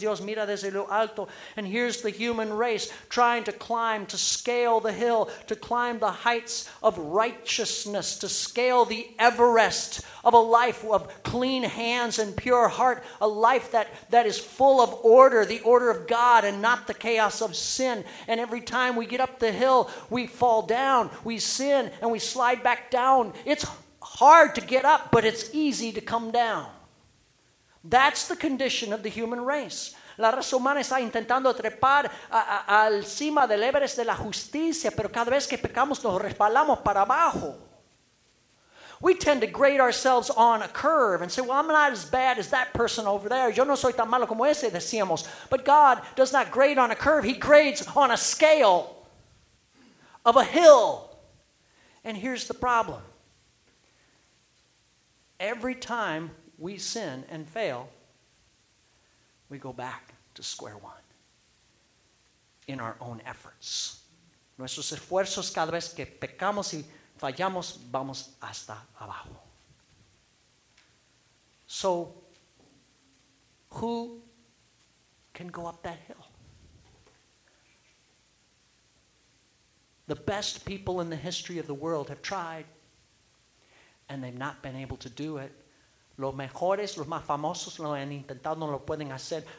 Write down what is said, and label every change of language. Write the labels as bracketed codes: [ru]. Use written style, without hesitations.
[es] Dios mira desde lo alto, [en] and here's the human race trying to climb, to scale the hill, to climb the heights of righteousness, to scale the Everest of a life of clean hands and pure heart, a life that is full of order, the order of God and not the chaos of sin. And every time we get up the hill, we fall down. We sin and we slide back down. It's hard to get up, but it's easy to come down. That's the condition of the human race. [es] La raza humana está intentando trepar al cima del Everest de la justicia, pero cada vez que pecamos nos resbalamos para abajo. [en] We tend to grade ourselves on a curve and say, well, I'm not as bad as that person over there. [es] Yo no soy tan malo como ese, decíamos. [en] But God does not grade on a curve. He grades on a scale of a hill. And here's the problem. Every time we sin and fail, we go back to square one in our own efforts. [es] Nuestros esfuerzos, cada vez que pecamos y fallamos, vamos hasta abajo. [en] So, who can go up that hill? The best people in the history of the world have tried and they've not been able to do it. [es] Los mejores, los más famosos lo han intentado, no lo pueden hacer.